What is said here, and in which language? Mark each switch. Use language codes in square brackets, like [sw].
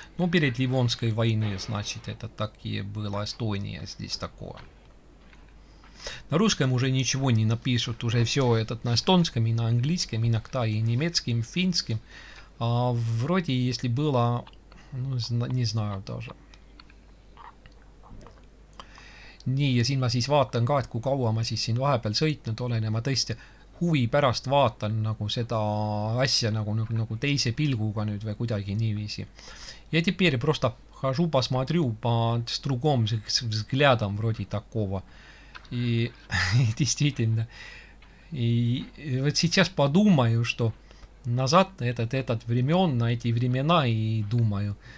[ru] Ну перед Ливонской войной, значит, это так и было, Эстония здесь такое. На русском уже ничего не напишут, уже все это на эстонском и на английском, иногда и немецким, финским. А вроде если было, ну не знаю даже. [et] Nii, ja siin ma siis vaatan ka, et kui kaua ma siis siin vahepeal sõitnud olen ja ma tõesti huvi pärast vaatan nagu seda asja nagu teise pilguga nüüd või kuidagi niiviisi. [ru] Ja теперь просто хожу посмотрю по другом взглядом вроде такого. И действительно, и вот сейчас подумаю, что назад этот времен, на эти времена и думаю...